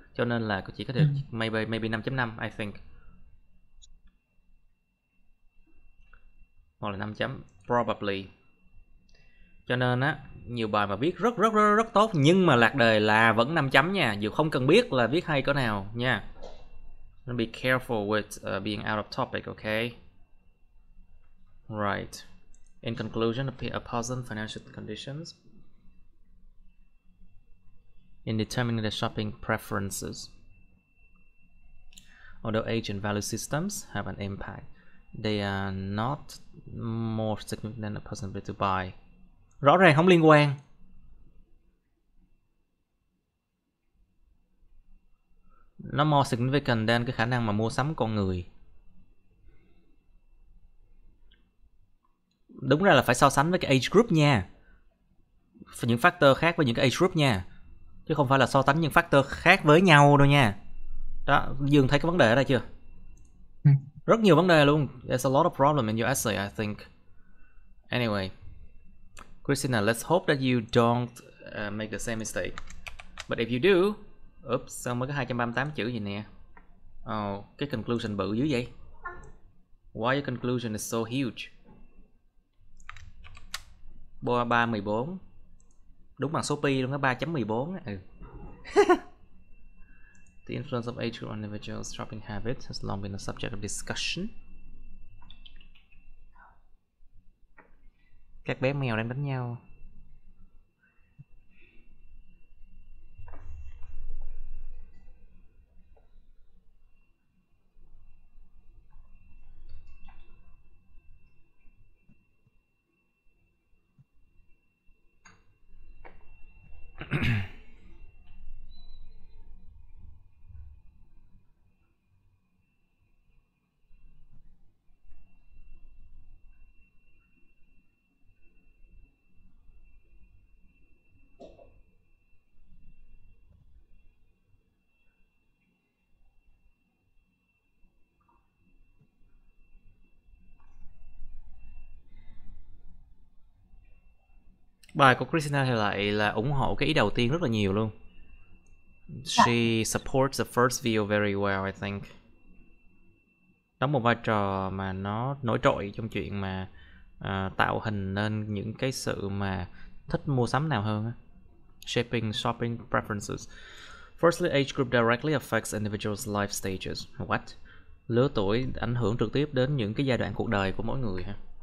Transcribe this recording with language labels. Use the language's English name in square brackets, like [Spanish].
[Vietnamese] Cho nên là chỉ có thể maybe 5.5, [English] I think. [Vietnamese] Hoặc là 5 chấm, [English] probably. [Vietnamese] Cho nên á, nhiều bài mà viết rất rất rất rất tốt nhưng mà lạc đề là vẫn 5 chấm nha. Dù không cần biết là viết hay cỡ nào nha. [English] Be careful with being out of topic, okay? Right. In conclusion, a person's financial conditions. In determining their shopping preferences. Although age and value systems have an impact, they are not more significant than a person's ability to buy. [Vietnamese] Rõ ràng không liên quan. Nó [English] more significant than [Vietnamese] cái khả năng mà mua sắm con người. Đúng ra là phải so sánh với cái age group nha. Và những factor khác với những cái age group nha. Chứ không phải là so sánh những factor khác với nhau đâu nha. Đó, Dương thấy cái vấn đề ở đây chưa? Rất nhiều vấn đề luôn. [English] There's a lot of problem in your essay, I think. Anyway, Christina, let's hope that you don't make the same mistake. But if you do, oops, [Vietnamese] sao mới có 238 chữ gì nè? Oh, cái conclusion bự dữ vậy? [English] Why your conclusion is so huge? [Vietnamese] 3.14. Đúng bằng số pi luôn á, 3.14 á. [English] The influence of age on individuals' shopping habits has long been a subject of discussion. [Vietnamese] Các bé mèo đang đánh nhau. Bài của Christina thì lại là ủng hộ cái ý đầu tiên rất là nhiều luôn. [English] She supports the first view very well, I think. [Vietnamese] Đóng một vai trò mà nó nổi trội trong chuyện mà tạo hình nên những cái sự mà thích mua sắm nào hơn. [English] Shaping shopping preferences. Firstly, age group directly affects individuals' life stages. What? [Vietnamese] Lứa tuổi ảnh hưởng trực tiếp đến những cái giai đoạn cuộc đời của mỗi người hả?